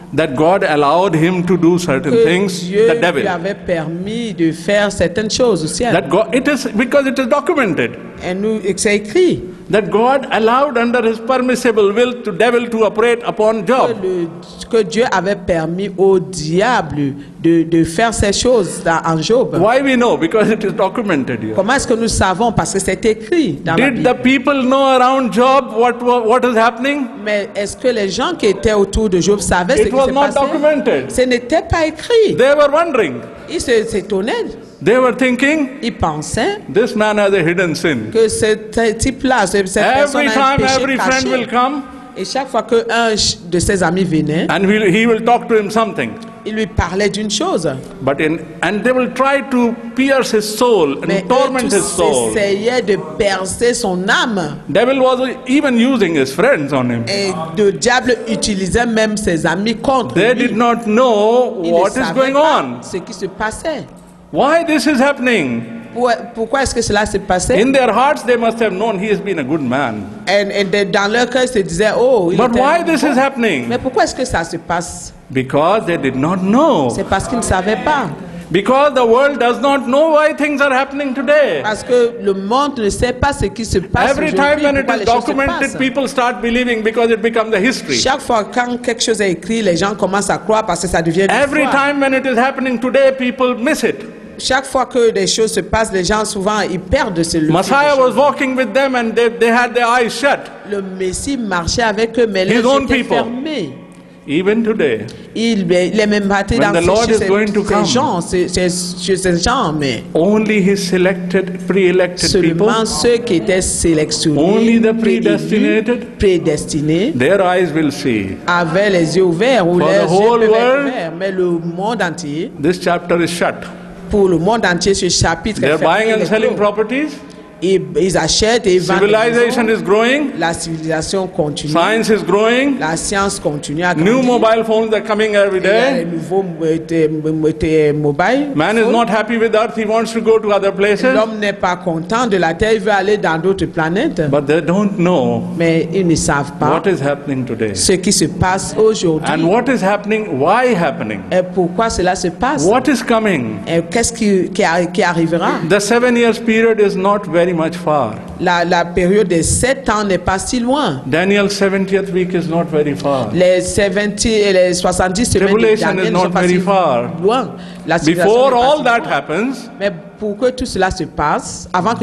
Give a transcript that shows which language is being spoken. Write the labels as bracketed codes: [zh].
[en] That God allowed him to do certain things, [fr] Dieu [en] the devil. [fr] Lui avait permis de faire certaines choses au ciel. [en] That God, it is because it is documented. [fr] Et nous, c'est écrit. [en] That God allowed under his permissible will to devil to operate upon Job. [fr] Que Dieu avait permis au diable de faire ces choses dans, en Job. [en] Why we know? Because it is documented here. [fr] Comment est-ce que nous savons? Parce que c'est écrit dans la Bible. [en] Did the people know around Job what is happening? [fr] Mais est-ce que les gens qui étaient autour de Job savaient ce qui se passait? [en] It was not documented. [fr] Ce n'était pas écrit. [en] They were wondering. [fr] Ils s'étonnaient. [en] They were thinking. [fr] Ils pensaient. [en] This man has a hidden sin. [fr] Que ce type-là, cette [en] every [fr] personne a un péché caché. [en] Every time, every friend will come. [fr] Et chaque fois que un de ses amis venait. And he will talk to him something. Il lui parlait d'une chose. [en] But in and they will try to pierce his soul and [fr] mais [en] torment his soul. [fr] Mais ils essayaient de percer son âme. [en] Devil was even using his friends on him. [fr] Et le diable utilisait même ses amis contre [en] they [fr] lui. [en] They did not know [fr] ils [en] what is going [fr] pas [en] on. [fr] Ce qui se passait. [en] Why this is happening? [fr] Pourquoi est-ce que cela s'est passé? [en] In their hearts, they must have known he has been a good man. [fr] And dans leur cœur, ils se disaient, oh, il était. [en] But why this is happening? [fr] Mais pourquoi est-ce que ça se passe? [en] Because they did not know. [fr] C'est parce qu'ils ne savaient pas. [en] Because the world does not know why things are happening today. [fr] Parce que le monde ne sait pas ce qui se passe. [en] Every time when it is documented, people start believing because it becomes a history. [fr] Chaque fois quand quelque chose est écrit, les gens commencent à croire parce que ça devient une histoire. [en] Every time when it is happening today, people miss it. [fr] Chaque fois que des choses se passent, les gens souvent ils perdent ce lieu. [en] Messiah was walking with them and they had their eyes shut. [fr] Le Messie marchait avec eux mais les yeux étaient fermés. [en] Even today, when the Lord is going to come, only his selected, pre-elected people, [fr] ceux qui étaient sélectionnés, [en] only the predestinated, [fr] prédestinés, [en] their eyes will see. [fr] Avaient les yeux ouverts, [en] for [fr] leurs [en] the whole [fr] yeux ouverts, mais le monde entier, [en] this chapter is shut. [fr] Pour le monde entier, ce chapitre [en] they're buying and selling properties. [fr] Ils achètent et vendent. [en] Civilization is growing. [fr] La civilisation continue. [en] Science is growing. [fr] La science continue à grandir. [en] New mobile phones are coming every day. [fr] Il y a des nouveaux mobiles. [en] Man is not happy with Earth. He wants to go to other places. [fr] L'homme n'est pas content de la Terre. Il veut aller dans d'autres planètes. [en] But they don't know. [fr] Mais ils ne savent pas. [en] What is happening today? [fr] Ce qui se passe aujourd'hui. [en] And what is happening? Why happening? [fr] Et pourquoi cela se passe? [en] What is coming? [fr] Et qu'est-ce qui arrivera? [en] The 7 years period is not very much far. [fr] La période des 7 ans n'est pas si loin. [en] Daniel 70th week is not very far. [fr] Les 70 et les 70 semaines de Daniel [en] is not very far. [fr] Loin. [en] Before all that happens, [fr] mais pour que tout cela se passe, avant que